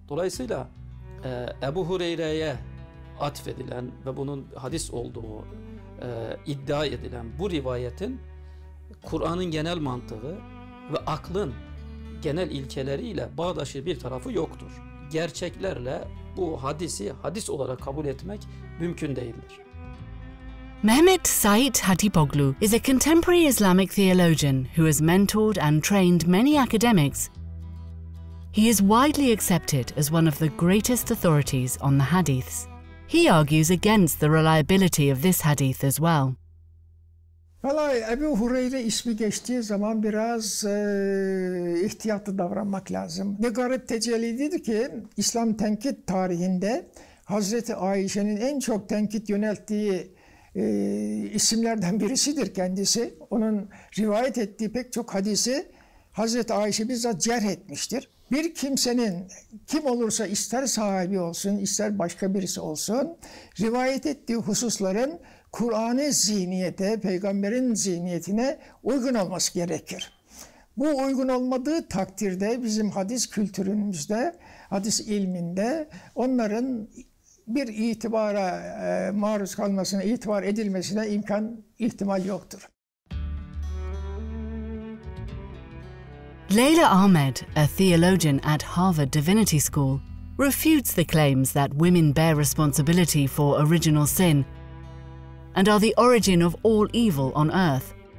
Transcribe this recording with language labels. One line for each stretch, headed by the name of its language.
Turkish: Dolayısıyla Ebu Hureyre'ye atfedilen ve bunun hadis olduğu iddia edilen bu rivayetin Kur'an'ın genel mantığı ve aklın genel ilkeleriyle bağdaşı bir tarafı yoktur. Gerçeklerle bu hadisi hadis olarak kabul etmek mümkün değildir.
English: Mehmet Said Hatipoglu is a contemporary Islamic theologian who has mentored and trained many academics. He is widely accepted as one of the greatest authorities on the hadiths. He argues against the reliability of this hadith as well.
Turkish: Vallahi Ebu Hureyre ismi geçtiği zaman biraz ihtiyatlı davranmak lazım. Ne garip tecellidir ki İslam tenkit tarihinde Hazreti Ayşe'nin en çok tenkit yönelttiği isimlerden birisidir kendisi. Onun rivayet ettiği pek çok hadisi Hazreti Ayşe bizzat cerh etmiştir. Bir kimsenin, kim olursa ister sahibi olsun, ister başka birisi olsun, rivayet ettiği hususların Kur'an'ı zihniyete, peygamberin zihniyetine uygun olması gerekir. Bu uygun olmadığı takdirde bizim hadis kültürümüzde, hadis ilminde onların bir itibara maruz kalmasına, itibar edilmesine imkan, ihtimal yoktur.
English: Leyla Ahmed, a theologian at Harvard Divinity School, refutes the claims that women bear responsibility for original sin and are the origin of all evil on earth.